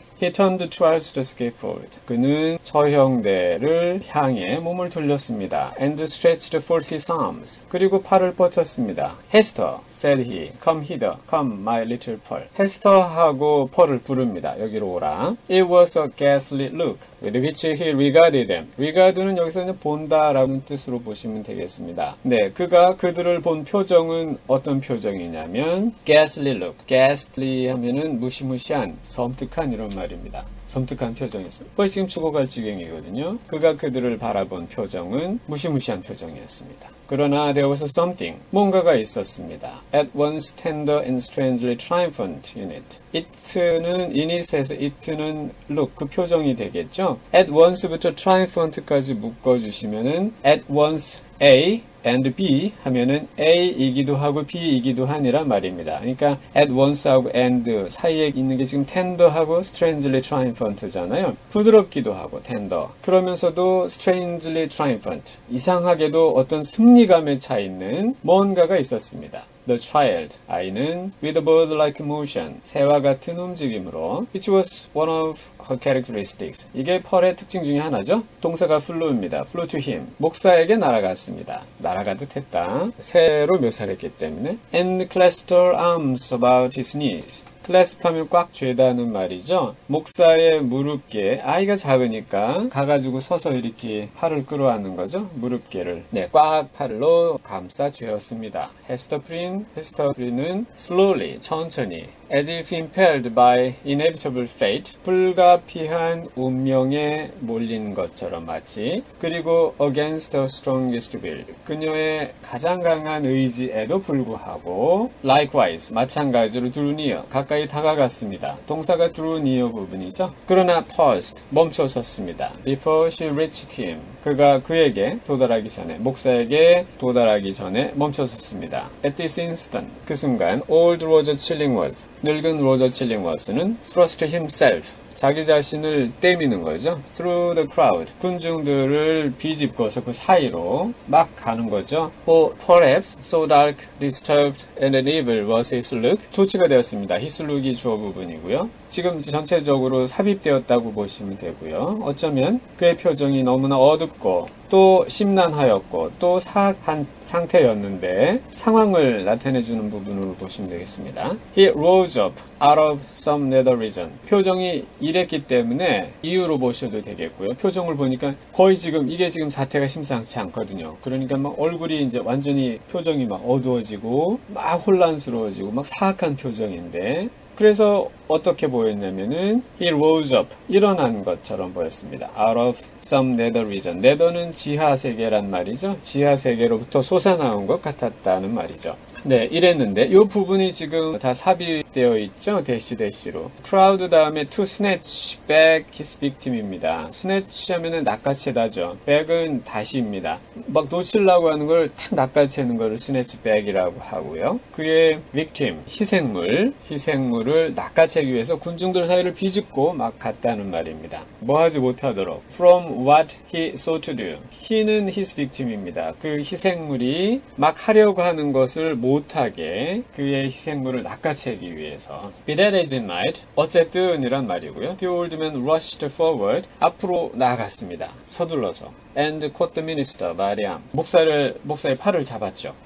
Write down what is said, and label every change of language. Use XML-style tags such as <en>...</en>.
<en>He turned twice to skip forward.</en> <ko>그는 처형대를 향해 몸을 돌렸습니다.</ko> <en>And stretched forth his arms.</en> <ko>그리고 팔을 뻗쳤습니다.</ko> <en>Hester, said he. Come hither. Come, my little Pearl.</en> <ko>헤스터하고 펄을 부릅니다. 여기로 오라.</ko> <en>It was a ghastly look with which he regarded them.</en> <ko>Regard는 여기서는 본다라는 뜻으로 보시면 되겠습니다. 네, 그가 그들을 본 표정은 어떤 표정이냐면</ko> <en>ghastly look.</en> <ko>Ghastly 하면은 무시무시한, 섬뜩한 이런 말입니다. 섬뜩한 표정이었어요. 벌써 지금 죽어갈 지경이거든요. 그가 그들을 바라본 표정은 무시무시한 표정이었습니다. 그러나</ko> <en>there was something,</en> <ko>뭔가가 있었습니다.</ko> <en>At once tender and strangely triumphant in it.</en> <ko>It는 in it에서 it는 look, 그 표정이 되겠죠. At once부터 triumphant까지 묶어주시면은</ko> <en>at once a and b</en> <ko>하면은 a이기도 하고 b이기도 하니란 말입니다. 그러니까 at once하고 and 사이에 있는 게 지금 tender하고 strangely triumphant잖아요. 부드럽기도 하고 tender.</ko> <en>그러면서도 strangely triumphant.</en> <ko>이상하게도 어떤 승리감에 차 있는 뭔가가 있었습니다.</ko> <en>The child,</en> <ko>아이는</ko> <en>with a bird-like motion,</en> <ko>새와 같은 움직임으로</ko> <en>which was one of her characteristics.</en> <ko>이게 펄의 특징 중에 하나죠. 동사가 flew입니다.</ko> <en>flew to him.</en> <ko>목사에게 날아갔습니다. 날아가듯 했다. 새로 묘사를 했기 때문에.</ko> <en>And clasped her arms about his knees.</en> <ko>clasp 하면 꽉 죄다는 말이죠. 목사의 무릎께, 아이가 작으니까 가가지고 서서 이렇게 팔을 끌어안는 거죠. 무릎께를. 네, 꽉 팔로 감싸 죄었습니다. 헤스터프린은 slowly, 천천히.</ko> <en>As if impelled by inevitable fate,</en> <ko>불가피한 운명에 몰린 것처럼 마치, 그리고</ko> <en>against her strongest will,</en> <ko>그녀의 가장 강한 의지에도 불구하고, likewise, 마찬가지로</ko> <en>drew near,</en> <ko>가까이 다가갔습니다. 동사가</ko> <en>drew near</en> <ko>부분이죠. 그러나 paused, 멈춰 섰습니다.</ko> <en>Before she reached him,</en> <ko>그가 그에게 도달하기 전에, 목사에게 도달하기 전에 멈춰 섰습니다.</ko> <en>At this instant,</en> <ko>그 순간, old Roger Chillingworth, 늙은 로저 칠링워스는</ko> <en>thrust himself,</en> <ko>자기 자신을 떼미는 거죠.</ko> <en>Through the crowd,</en> <ko>군중들을 비집고서 그 사이로 막 가는 거죠.</ko> <en>For perhaps so dark, disturbed, and evil was his look.</en> <ko>조치가 되었습니다. His look이 주어 부분이고요. 지금 전체적으로 삽입되었다고 보시면 되고요. 어쩌면 그의 표정이 너무나 어둡고 또 심란하였고 또 사악한 상태였는데 상황을 나타내주는 부분으로 보시면 되겠습니다.</ko> <en>He rose up out of some nether region.</en> <ko>표정이 이랬기 때문에 이유로 보셔도 되겠고요. 표정을 보니까 거의 지금 이게 지금 자태가 심상치 않거든요. 그러니까 막 얼굴이 이제 완전히 표정이 막 어두워지고 막 혼란스러워지고 막 사악한 표정인데. 그래서 어떻게 보였냐면은</ko> <en>he rose up</en> <ko>일어난 것처럼 보였습니다.</ko> <en>Out of some nether region.</en> <ko>Nether는 지하 세계란 말이죠. 지하 세계로부터 솟아나온 것 같았다는 말이죠. 네, 이랬는데 요 부분이 지금 다 삽입되어 있죠. 대시 대시로. Crowd 다음에</ko> <en>to snatch back his victim</en> <ko>입니다. Snatch 하면은 낚아채다죠. Back은 다시입니다. 막 놓치려고 하는 걸탁 낚아채는 거를 snatch back이라고 하고요. 그의 victim, 희생물을 낚아채기 위해서 군중들 사이를 비집고 막 갔다는 말입니다. 뭐 하지 못하도록.</ko> <en>From what he sought to do. He는 his victim입니다.</en> <ko>그 희생물이 막 하려고 하는 것을 못하게 그의 희생물을 낚아채기 위해서.</ko> <en>Be that as it might,</en> <ko>어쨌든이란 말이고요.</ko> <en>The old man rushed forward,</en> <ko>앞으로 나아갔습니다. 서둘러서.</ko> <en>And caught the minister by the arm.</en> <ko>목사의 팔을 잡았죠.</ko>